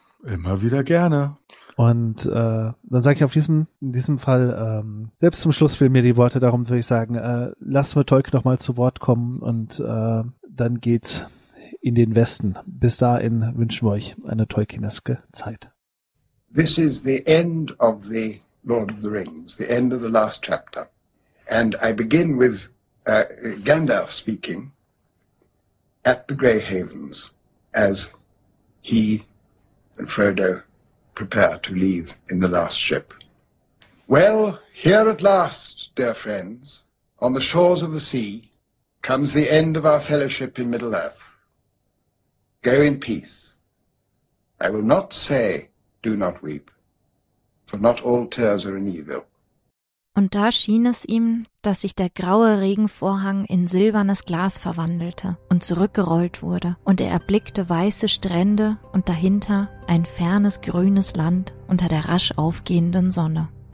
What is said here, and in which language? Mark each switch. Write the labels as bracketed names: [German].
[German] Immer wieder gerne. Und dann sage ich auf diesem, in diesem Fall, selbst zum Schluss fehlen mir die Worte, darum würde ich sagen, lass mir Tolkien nochmal zu Wort kommen und dann geht's in den Westen. Bis dahin wünschen wir euch eine Tolkieneske Zeit. [English] This is the end of the Lord of the Rings, the end of the last chapter. And I begin with Gandalf speaking at the Grey Havens as he and Frodo prepare to leave in the last ship. Well, here at last, dear friends, on the shores of the sea, comes the end of our fellowship in Middle-earth. Go in peace. I will not say, do not weep, for not all tears are in evil. [German] Und da schien es ihm, dass sich der graue Regenvorhang in silbernes Glas verwandelte und zurückgerollt wurde, und er erblickte weiße Strände und dahinter ein fernes grünes Land unter der rasch aufgehenden Sonne.